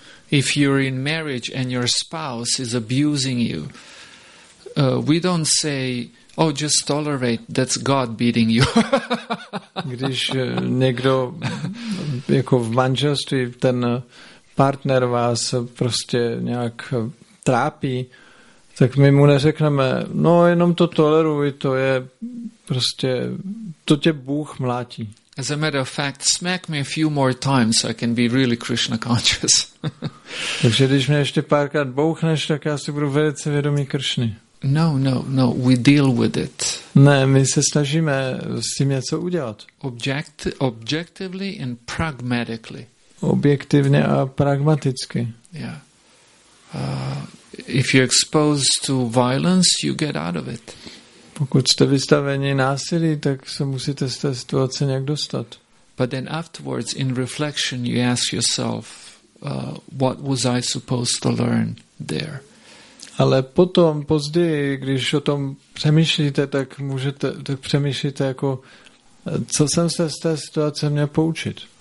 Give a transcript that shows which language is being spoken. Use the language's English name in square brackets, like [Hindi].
[English] If you're in marriage and your spouse is abusing you, we don't say, oh, just tolerate, that's God beating you. [Czech] Když někdo jako v manželství, ten partner vás prostě nějak trápí, tak my mu neřekneme, no, jenom to toleruj, to je prostě, to tě Bůh mlátí. [English] As a matter of fact, smack me a few more times so I can be really Krishna conscious. [Czech] Takže když mě ještě párkrát bouchneš, tak já si budu velice vědomý Kršny. [English] No, no, no, we deal with it. [Czech] Ne, my se snažíme s tím něco udělat. [English] Objectively and pragmatically. [Czech] Objektivně a pragmaticky. [English] Yeah. If you're exposed to violence, you get out of it. [Czech] Pokud jste vystaveni násilí, tak se musíte z té situace nějak dostat. [English] But then afterwards, in reflection, you ask yourself, what was I supposed to learn there? [Czech] Ale potom, později, když o tom přemýšlíte, tak můžete, tak přemýšlíte jako, co jsem se z té situace měl poučit.